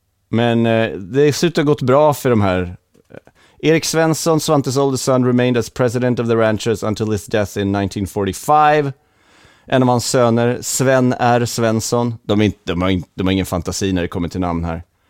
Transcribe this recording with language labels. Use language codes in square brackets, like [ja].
[sv] Men det ser ut att ha gått bra för de här. [en] Erik Svensson, Svantes oldest son, remained as president of the ranchers until his death in 1945. [sv] En av hans söner, Sven R. Svensson. De har ingen fantasi när det kommer till namn här.